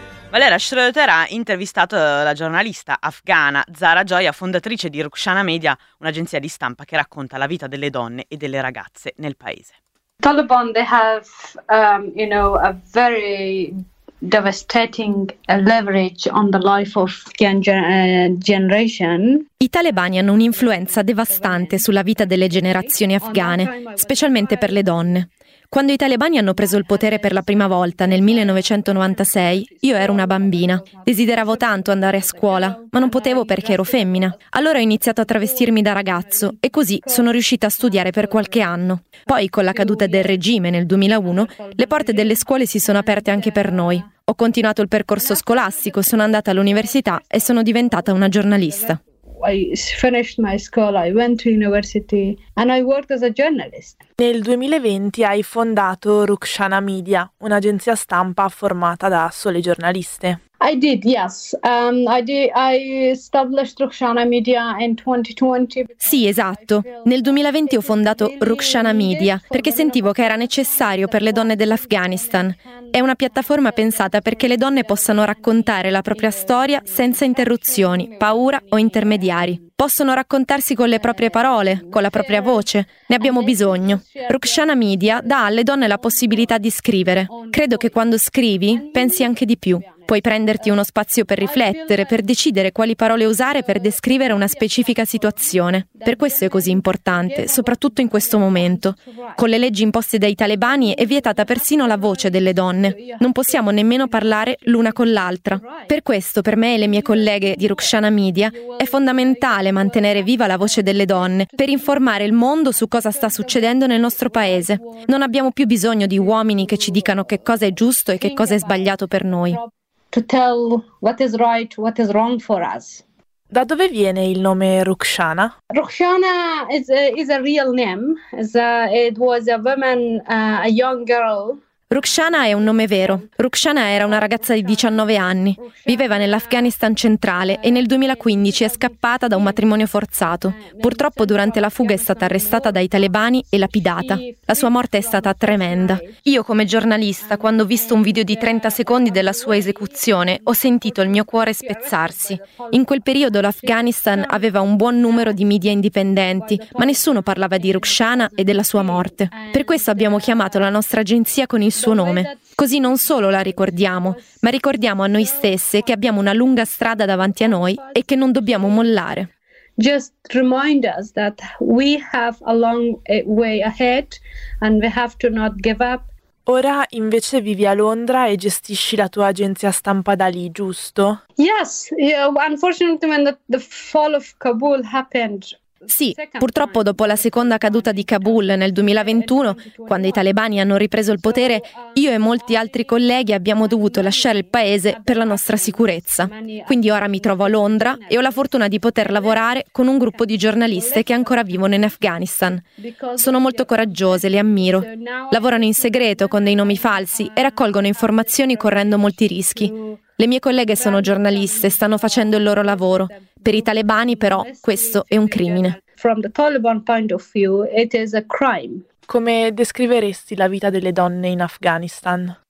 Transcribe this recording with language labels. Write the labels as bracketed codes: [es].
[it] Valeria Schroeder ha intervistato la giornalista afghana Zara Joya, fondatrice di Rukshana Media, un'agenzia di stampa che racconta la vita delle donne e delle ragazze nel paese. [en] Taliban, they have, you know, a very devastating leverage on the life of generation. [it] I talebani hanno un'influenza devastante sulla vita delle generazioni afghane, specialmente per le donne. Quando i talebani hanno preso il potere per la prima volta nel 1996, io ero una bambina. Desideravo tanto andare a scuola, ma non potevo perché ero femmina. Allora ho iniziato a travestirmi da ragazzo e così sono riuscita a studiare per qualche anno. Poi, con la caduta del regime nel 2001, le porte delle scuole si sono aperte anche per noi. Ho continuato il percorso scolastico, sono andata all'università e sono diventata una giornalista. [en] I finished my school, I went to university and I worked as a journalist. [it] Nel 2020 hai fondato Rukshana Media, un'agenzia stampa formata da sole giornaliste. [en] I did, yes. I established Rukshana Media in 2020. [it] Sì, esatto. Nel 2020 ho fondato Rukshana Media perché sentivo che era necessario per le donne dell'Afghanistan. È una piattaforma pensata perché le donne possano raccontare la propria storia senza interruzioni, paura o intermediari. Possono raccontarsi con le proprie parole, con la propria voce. Ne abbiamo bisogno. Rukshana Media dà alle donne la possibilità di scrivere. Credo che quando scrivi, pensi anche di più. Puoi prenderti uno spazio per riflettere, per decidere quali parole usare per descrivere una specifica situazione. Per questo è così importante, soprattutto in questo momento. Con le leggi imposte dai talebani è vietata persino la voce delle donne. Non possiamo nemmeno parlare l'una con l'altra. Per questo, per me e le mie colleghe di Rukshana Media, è fondamentale mantenere viva la voce delle donne per informare il mondo su cosa sta succedendo nel nostro paese. Non abbiamo più bisogno di uomini che ci dicano che cosa è giusto e che cosa è sbagliato per noi. [en] To tell what is right, what is wrong for us. [it] Da dove viene il nome Rukshana? [en] Rukshana is a real name. It was a woman, a young girl. [it] Rukshana è un nome vero. Rukshana era una ragazza di 19 anni. Viveva nell'Afghanistan centrale e nel 2015 è scappata da un matrimonio forzato. Purtroppo durante la fuga è stata arrestata dai talebani e lapidata. La sua morte è stata tremenda. Io come giornalista, quando ho visto un video di 30 secondi della sua esecuzione, ho sentito il mio cuore spezzarsi. In quel periodo l'Afghanistan aveva un buon numero di media indipendenti, ma nessuno parlava di Rukshana e della sua morte. Per questo abbiamo chiamato la nostra agenzia con il suo nome. Così non solo la ricordiamo, ma ricordiamo a noi stesse che abbiamo una lunga strada davanti a noi e che non dobbiamo mollare. [en] Just remind us that we have a long way ahead and we have to not give up. [it] Ora invece vivi a Londra e gestisci la tua agenzia stampa da lì, giusto? [en] Yes, yeah, unfortunately when the fall of Kabul happened. [it] Sì, purtroppo dopo la seconda caduta di Kabul nel 2021, quando i talebani hanno ripreso il potere, io e molti altri colleghi abbiamo dovuto lasciare il paese per la nostra sicurezza. Quindi ora mi trovo a Londra e ho la fortuna di poter lavorare con un gruppo di giornaliste che ancora vivono in Afghanistan. Sono molto coraggiose, le ammiro. Lavorano in segreto con dei nomi falsi e raccolgono informazioni correndo molti rischi. Le mie colleghe sono giornaliste, stanno facendo il loro lavoro. Per i talebani, però, questo è un crimine. [en] From the Taliban point of view, it is a crime. [it] Come descriveresti la vita delle donne in Afghanistan?